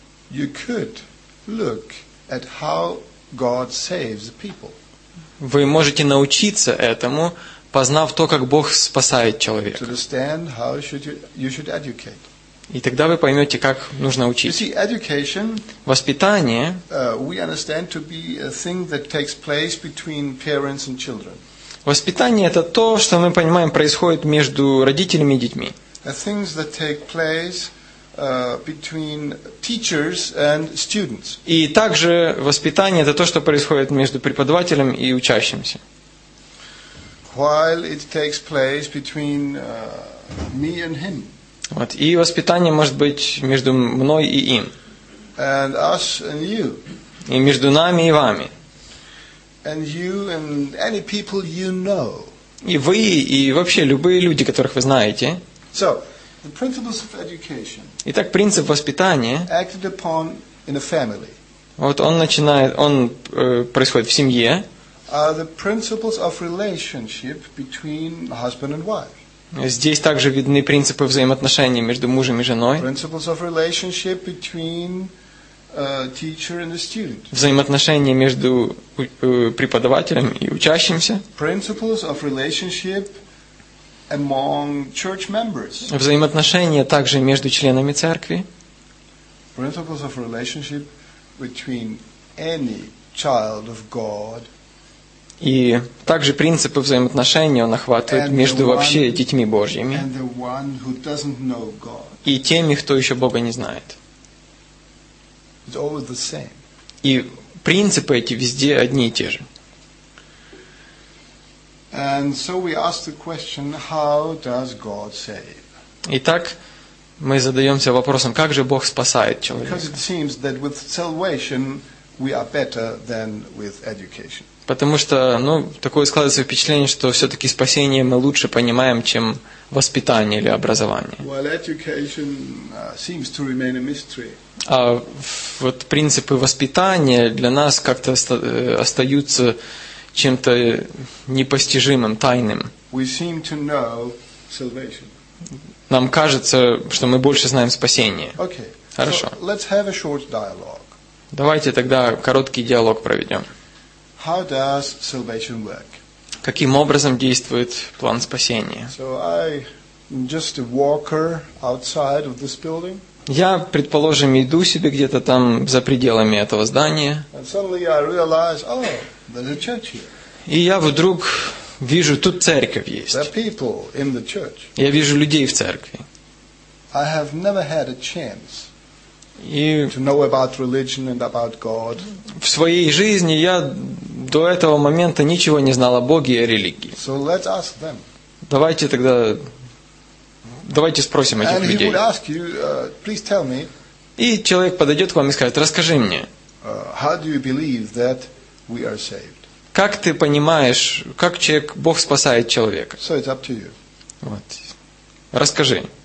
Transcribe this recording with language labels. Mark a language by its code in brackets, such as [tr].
[en] you could look at how God saves people. [ru] Вы можете научиться этому, познав то, как Бог спасает человека. [en] To understand how you should educate. [ru] И тогда вы поймете, как нужно учить. [en] You see, education, [ru] воспитание, [en] we understand to be a thing that takes place between parents and children. [ru] Воспитание – это то, что мы понимаем, происходит между родителями и детьми. [en] Things that take place, between teachers and students. [ru] И также воспитание – это то, что происходит между преподавателем и учащимся. [en] While it takes place between, me and him. [ru] Вот. И воспитание может быть между мной и им. [en] And us and you. [ru] И между нами и вами. [en] And you and any people you know. [ru] И вы и вообще любые люди, которых вы знаете. [en] So, the principles of education. [ru] Итак, принцип воспитания. [en] Acted upon in a family. [ru] Вот он начинает, он происходит в семье. [en] Are the principles of relationship between husband and wife. [ru] Здесь также видны принципы взаимоотношений между мужем и женой. [en] Principles of relationship between teacher and the student. [ru] Взаимоотношения между преподавателем и учащимся. [en] Principles of relationship among church members. [ru] Взаимоотношения также между членами церкви. [en] Principles of relationship between any child of God. [ru] И также принципы взаимоотношений он охватывает между вообще детьми Божьими. [en] And the one who doesn't know God. [ru] И теми, кто еще Бога не знает. [en] It's always the same. [ru] И принципы эти везде одни и те же. [en] And so we ask the question, how does God save? [ru] Итак, мы задаемся вопросом, как же Бог спасает человека? [en] Because it seems that with salvation we are better than with education. [ru] Потому что, ну, такое складывается впечатление, что все-таки спасение мы лучше понимаем, чем воспитание или образование. [en] While education seems to remain a mystery. [ru] А вот принципы воспитания для нас как-то остаются чем-то непостижимым, тайным. [en] We seem to know salvation. [ru] Нам кажется, что мы больше знаем спасение. [en] Okay. [ru] Хорошо. [en] So let's have a short dialogue. [ru] Давайте тогда короткий диалог проведем. [en] How does salvation work? [ru] Каким образом действует план спасения? [en] So I just a walker outside of this building. [ru] Я, предположим, иду себе где-то там за пределами этого здания. [en] And suddenly I realize, oh, there's a church here. [ru] И я вдруг вижу, тут церковь есть. [en] There are people in the church. [ru] Я вижу людей в церкви. [en] I have never had a chance. [ru] И [en] to know about religion and about God. [ru] В своей жизни я до этого момента ничего не знал о Боге и о религии. [en] So let's ask them. [ru] Давайте тогда, давайте спросим этих [en] and [ru] людей. [en] He would ask you, please tell me, [ru] и человек подойдет к вам и скажет, расскажи мне, [en] how do you believe that we are saved? [ru] Как ты понимаешь, как человек, Бог спасает человека? [en] So it's up to you. [ru] Вот. Расскажи.